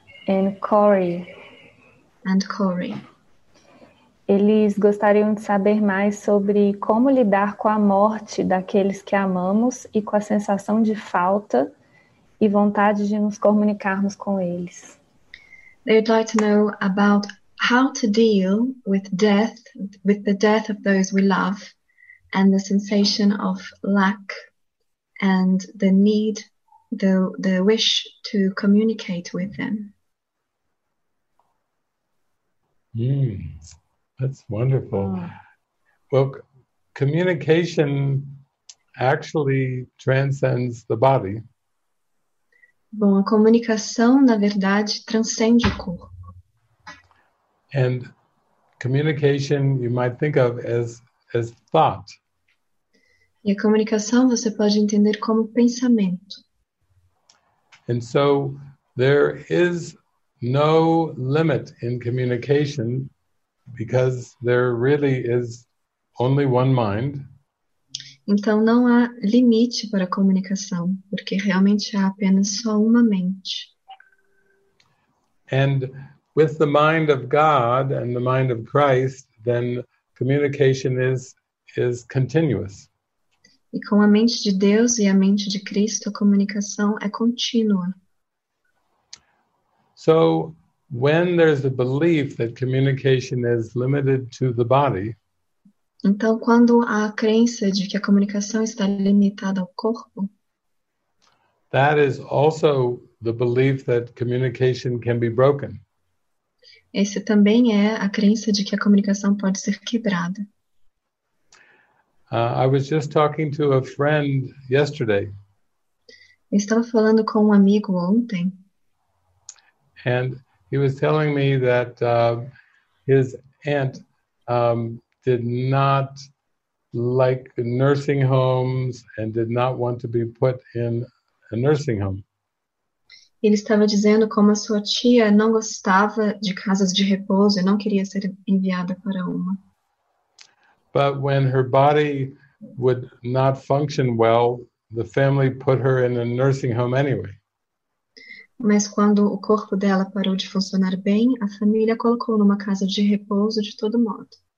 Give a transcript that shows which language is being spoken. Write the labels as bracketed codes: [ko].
[en] And Corey. And Corey. [pt] Eles gostariam de saber mais sobre como lidar com a morte daqueles que amamos e com a sensação de falta e vontade de nos comunicarmos com eles. [en] They'd like to know about how to deal with death, with the death of those we love, and the sensation of lack, and the need, the wish to communicate with them. That's wonderful. Well, communication actually transcends the body. [pt] Bom, a comunicação, na verdade, transcende o corpo. [en] And communication you might think of as thought. [pt] E a comunicação você pode entender como pensamento. [en] And so there is no limit in communication because there really is only one mind. [pt] Então não há limite para a comunicação, porque realmente há apenas só uma mente. [en] And with the mind of God and the mind of Christ, then communication is continuous. [pt] E com a mente de Deus e a mente de Cristo, a comunicação é contínua. [en] So, when there's a belief that communication is limited to the body, [pt] então, quando há a crença de que a comunicação está limitada ao corpo, [en] that is also the belief that communication can be broken. [pt] Esse também é a crença de que a comunicação pode ser quebrada. [en] I was just talking to a friend yesterday. [pt] Eu estava falando com um amigo ontem. [en] And he was telling me that his aunt did not like nursing homes and did not want to be put in a nursing home. [pt] Ele estava dizendo como a sua tia não gostava de casas de repouso e não queria ser enviada para uma. [en] But when her body would not function well, the family put her in a nursing home anyway. [pt] Mas quando o corpo dela parou de funcionar bem, a família colocou numa casa de repouso de todo modo.